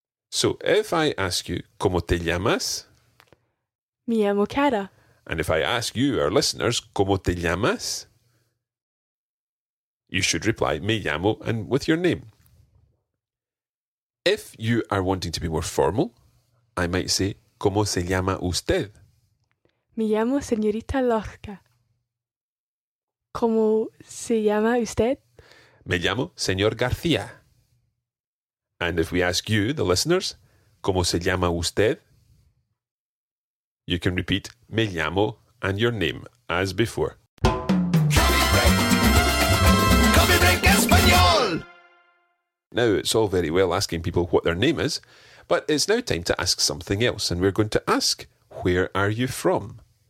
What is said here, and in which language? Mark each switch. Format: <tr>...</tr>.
<en>So, if I ask you,</en> <es>¿cómo te llamas? Me llamo Cara.</es> <en>And if I ask you, our listeners,</en> <es>¿cómo te llamas?</es> <en>You should reply,</en> <es>me llamo,</es> <en>and with your name. If you are wanting to be more formal, I might say,</en> <es>¿cómo se llama usted? Me llamo señorita Lorca. ¿Cómo se llama usted? Me llamo señor García.</es> <en>And if we ask you, the listeners,</en> <es>¿cómo se llama usted?</es> <en>You can repeat,</en> <es>me llamo,</es> <en>and your name, as before. Coffee break. Coffee break español. Now, it's all very well asking people what their name is, but it's now time to ask something else, and we're going to ask, where are you from?</en>